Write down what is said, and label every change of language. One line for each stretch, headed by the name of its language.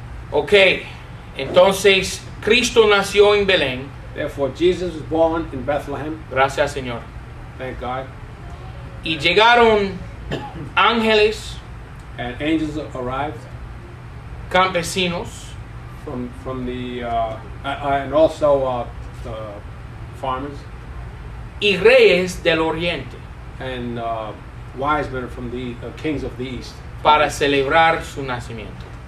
Spanish: Okay, entonces Cristo nació en Belén.
English: Therefore, Jesus was born in Bethlehem.
Spanish: Gracias, Señor.
English: Thank God.
Spanish: Y llegaron ángeles.
English: And angels arrived.
Spanish: Campesinos.
English: From the and also the farmers.
Spanish: Y reyes del Oriente.
English: And wise men from the kings of the east,
Spanish: para celebrar su nacimiento,